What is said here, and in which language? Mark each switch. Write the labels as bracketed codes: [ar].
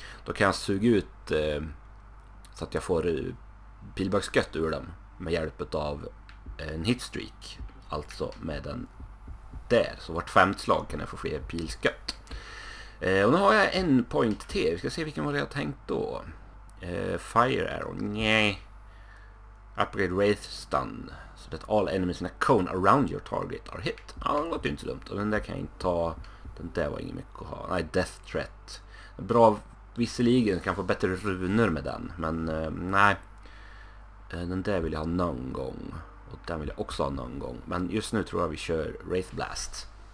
[sv] Då kan jag suga ut så att jag får pilbågsskott ur dem med hjälp av en hitstreak, alltså med den där, så vart 5 slag kan jag få fler pilskott. Och nu har jag en point till. Vi ska se vilken var det jag tänkt då. Fire arrow, nej. [en] Upgrade Wraith Stun, so that all enemies in a cone around your target are hit. [sv] Ja, det låter ju inte så dumt. Och den där kan jag inte ta. Den där var inget mycket att ha. Nej, Death Threat. Bra, visserligen kan få bättre runor med den. Men nej. Den där vill jag ha någon gång. Och den vill jag också ha någon gång. Men just nu tror jag vi kör Wraith Blast.